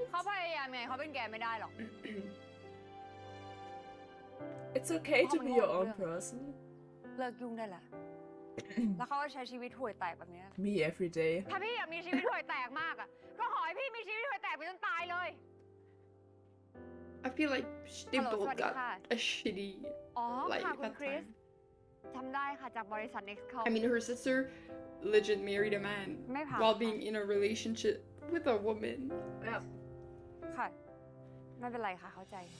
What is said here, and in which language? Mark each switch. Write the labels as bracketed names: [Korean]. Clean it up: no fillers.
[Thai] เขาพยายามไงเขาเป็นแกไม่ได้หรอก [English] It's okay to be your own person [Thai] เลิกยุ่งได้ละแล้วเขาใช้ชีวิตห่วยแตกแบบนี้ [English] me every day [Thai] ถ้าพี่อยากมีชีวิตห่วยแตกมากอ่ะก็ขอให้พี่มีชีวิตห่วยแตกไปจนตายเลย [English] I feel like they both got a shitty life at that time [Thai] จำได้ค่ะจากบริษัท Nextcloud [English] I mean her sister legit married a man while being in a relationship with a woman [Thai] ค่ะไม่เป็นไรค่ะเข้าใจ